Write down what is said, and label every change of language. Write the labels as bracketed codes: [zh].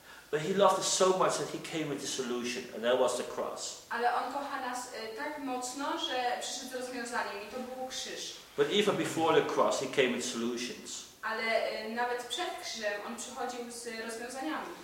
[en] But he loved us so much that he came with the solution, and that was the cross. [pl] Ale on kocha nas tak mocno, że przyszedł z rozwiązaniem, i to był krzyż. [en] But even before the cross, he came with solutions. [pl] Ale nawet przed krzyżem on przychodził z rozwiązaniami.